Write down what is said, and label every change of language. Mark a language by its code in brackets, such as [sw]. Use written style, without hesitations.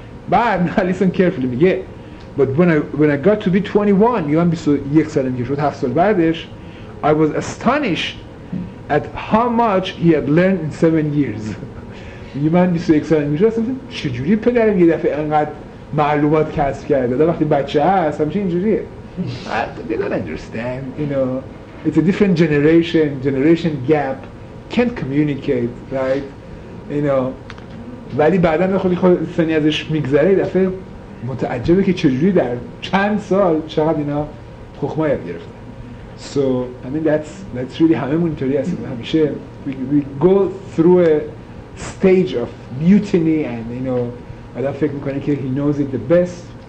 [fa] بعد [en] listen carefully [fa] میگه [en] But when I got to be 21 [fa] یه من 21 ساله میگه شد 7 سال بعدش [en] I was astonished at how much he had learned in 7 years. [fa] یه من 21 ساله میگه شد چجوری پدرم یه دفعه انقدر معلومات کسب کرده. وقتی بچه هست همچنین اینجوریه. [en] They don't understand, you know, it's a different generation gap, can't communicate, right? You know, [fa] ولی بعدا خودی خود سنی ازش میگذره دفعه متعجبه که چجوری در چند سال چقدر اینا حکمای یاد گرفته. [en] So I mean that's really [fa] همه مونیتوری هستیم همیشه [en] we go through a stage of mutiny and you know [fa] بعدا فکر میکنه که [en] he knows it the best.